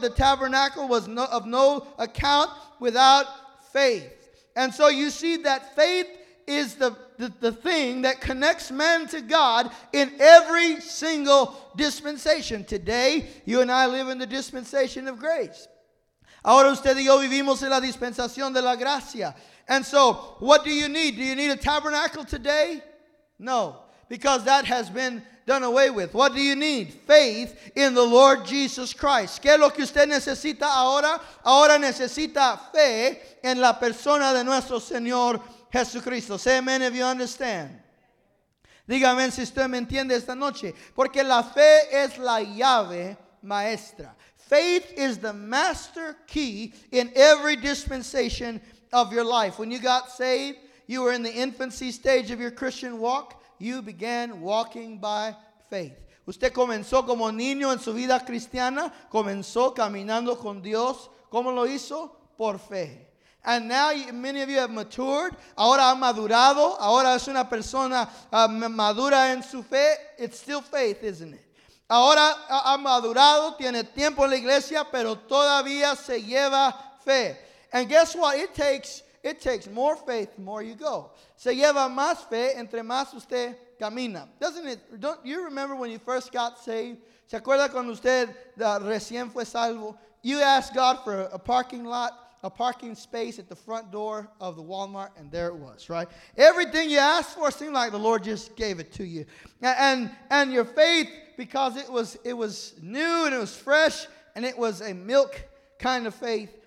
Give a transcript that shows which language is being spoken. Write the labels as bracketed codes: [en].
[en] The tabernacle was of no account without faith. And so you see that faith is the thing that connects man to God in every single dispensation. Today, you and I live in the dispensation of grace. [es] Ahora usted y yo vivimos en la dispensación de la gracia. [en] And so, what do you need? Do you need a tabernacle today? No, because that has been done away with. What do you need? Faith in the Lord Jesus Christ. [es] ¿Qué es lo que usted necesita ahora? Ahora necesita fe en la persona de nuestro Señor Jesucristo. [en] Say amen if you understand. [es] Dígame si usted me entiende esta noche. Porque la fe es la llave maestra. [en] Faith is the master key in every dispensation of your life. When you got saved, you were in the infancy stage of your Christian walk. You began walking by faith. [es] Usted comenzó como niño en su vida cristiana. Comenzó caminando con Dios. ¿Cómo lo hizo? Por fe. [en] And now many of you have matured. [es] Ahora ha madurado. Ahora es una persona madura en su fe. [en] It's still faith, isn't it? [es] Ahora ha madurado. Tiene tiempo en la iglesia, pero todavía se lleva fe. [en] And guess what? It takes more faith the more you go. [es] Se lleva más fe entre más usted camina. [en] Doesn't it? Don't you remember when you first got saved? [es] ¿Se acuerda cuando usted recién fue salvo? [en] You asked God for a parking lot, a parking space at the front door of the Walmart, and there it was, right? Everything you asked for seemed like the Lord just gave it to you. And your faith, because it was new and it was fresh and it was a milk kind of faith.